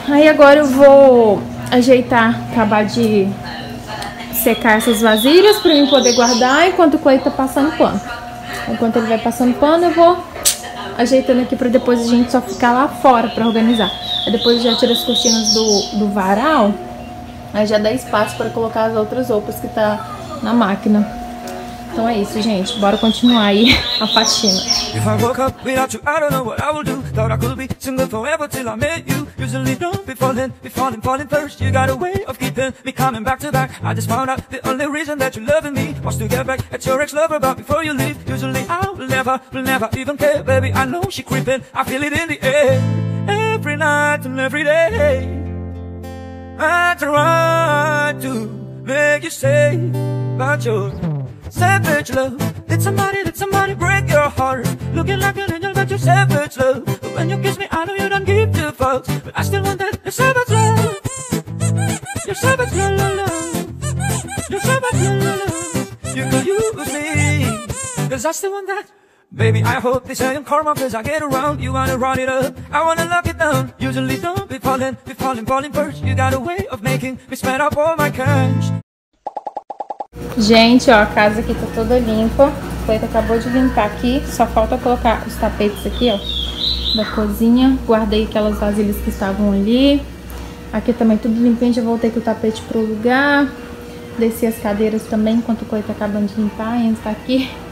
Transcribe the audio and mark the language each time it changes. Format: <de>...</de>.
<pt>Aí agora eu vou ajeitar, acabar de secar essas vasilhas pra mim poder guardar enquanto o Clay tá passando pano. Enquanto ele vai passando pano, eu vou ajeitando aqui pra depois a gente só ficar lá fora pra organizar. Aí depois eu já tiro as cortinas do varal, aí já dá espaço pra colocar as outras roupas que tá na máquina. Então é isso, gente. Bora continuar aí a faxina.</pt> <en>If I woke up without you, I don't know what I would do. Thought I could be single forever till I met you. Usually don't be falling, falling first. You got a way of keeping me coming back to back. I just found out the only reason that you're loving me was to get back at your ex-lover, but before you leave, usually I will never even care. Baby, I know she creeping, I feel it in the air. Every night and every day, I try to make you stay, but you're savage love. Did somebody break your heart? Looking like an angel, but you're savage love. But when you kiss me, I know you don't give two fucks. But I still want that. You're savage love. You're savage love, love, love. You're savage love, love, love. You could use me, 'cause I still want that. Baby, I hope this ain't karma, 'cause I get around. You wanna run it up, I wanna lock it down. Usually don't be falling, falling first. You got a way of making me spend up all my cash.</en> <pt>Gente, ó, a casa aqui tá toda limpa. O Cleito acabou de limpar aqui. Só falta colocar os tapetes aqui, ó, da cozinha. Guardei aquelas vasilhas que estavam ali. Aqui também tudo limpinho. Já voltei com o tapete pro lugar. Desci as cadeiras também, enquanto o Cleito tá acabando de limpar. Ainda tá aqui.</pt>